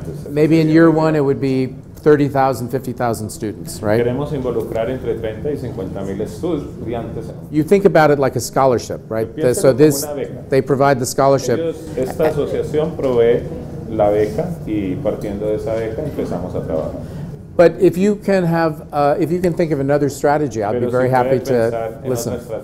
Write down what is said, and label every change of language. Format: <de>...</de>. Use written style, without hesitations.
<en>Maybe in year one it would be 30,000, 50,000 students, right?</en> <es>Queremos involucrar entre 30 y 50,000 estudiantes.</es> <en>You think about it like a scholarship, right? So this, they provide the scholarship.</en> <es>Esta asociación provee la beca y partiendo de esa beca empezamos a trabajar.</es> <en>But if you can have, if you can think of another strategy, I'd be very happy to listen.</en>